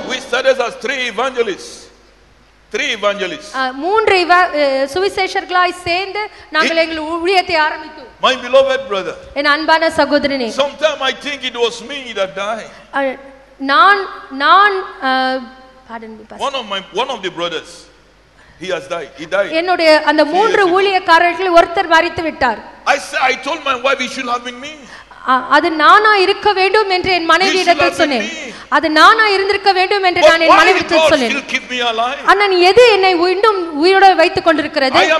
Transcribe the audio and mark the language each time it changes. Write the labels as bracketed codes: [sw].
[en] We started as three evangelists. Three evangelists. [ta] மூன்று சுவிசேஷர்களாய் சேர்ந்து நாங்கள் எங்கள் ஊழியத்தை ஆரம்பித்தோம். [en] My beloved brother. [ta] என் அன்பான சகோதரனே. [en] Sometimes I think it was me that died. Pardon me, pastor. One of the brothers, he has died. He died. [ta] என்னுடைய அந்த மூன்று ஊழியக்காரர்கள் ஒருத்தர் மரித்து விட்டார். [en] I told my wife, "It should have been me." [ta] அது நானா இருக்க வேண்டும் என்று என் மனைவியிடத்தில் சொன்னேன். அது நானா இருந்திருக்க வேண்டும் என்று நான் என் மனைவியிடத்தில் சொன்னேன். அண்ணன், எது என்னை இன்னும் உயிரோடு வைத்துக் கொண்டிருக்கிறது?